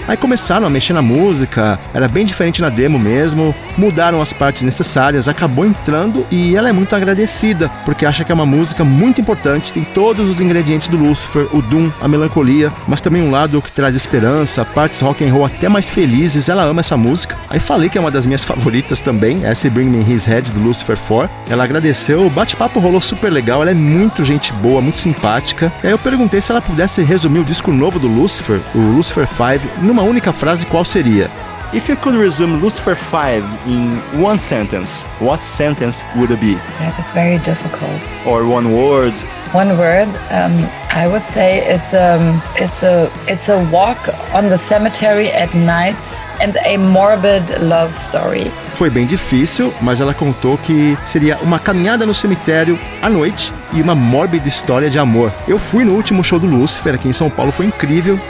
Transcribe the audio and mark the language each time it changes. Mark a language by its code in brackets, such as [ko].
[pt] Aí começaram a mexer na música, era bem diferente na demo mesmo, mudaram as partes necessárias, acabou entrando, e ela é muito agradecida, porque acha que é uma música muito importante, tem todos os ingredientes do Lucifer, o doom, a melancolia, mas também um lado que traz esperança, partes rock and roll até mais felizes. Ela ama essa música. Aí falei que é uma das minhas favoritas também, essa Bring Me His Head do Lucifer 4. Ela agradeceu, o bate-papo rolou super legal, ela é muito gente boa, muito simpática. E aí eu perguntei se ela pudesse resumir o disco novo do Lucifer, o Lucifer 5, numa única frase, qual seria? [en] If you could resume Lucifer 5 in one sentence, what sentence would it be? That is very difficult. Or one word? One word. I would say it's a walk on the cemetery at night and a morbid love story. [pt] Foi bem difícil, mas ela contou que seria uma caminhada no cemitério à noite e uma mórbida história de amor. Eu fui no último show do Lucifer aqui em São Paulo, foi incrível.